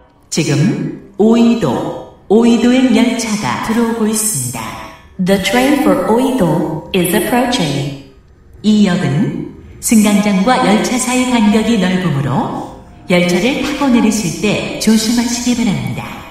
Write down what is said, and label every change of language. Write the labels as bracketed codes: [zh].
[ko] 지금 오이도, 오이도의 열차가 들어오고 있습니다. [en] The train for Oido is approaching. [ko] 이 역은 승강장과 열차 사이 간격이 넓으므로 열차를 타고 내리실 때 조심하시기 바랍니다.